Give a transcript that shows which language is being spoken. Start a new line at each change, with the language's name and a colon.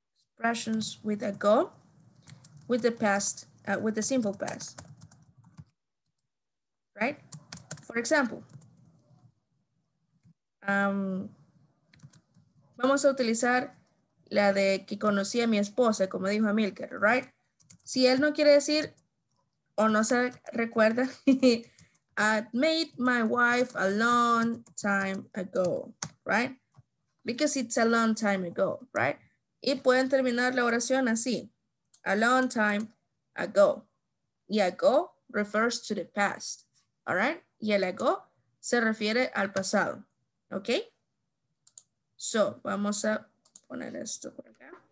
English: Expressions with ago, with the past, with the simple past. Right? For example,
Spanish: vamos a utilizar la de que conocí a mi esposa, como dijo Amilcar, right? Si él no quiere decir o no se recuerda,
English: I met my wife a long time ago,
Spanish: right?
English: Because it's a long time ago, right?
Spanish: Y pueden terminar la oración así,
English: a long time ago. Y ago refers to the past, all right?
Spanish: Y el ago se refiere al pasado.
English: Ok, so
Spanish: vamos a poner esto por acá.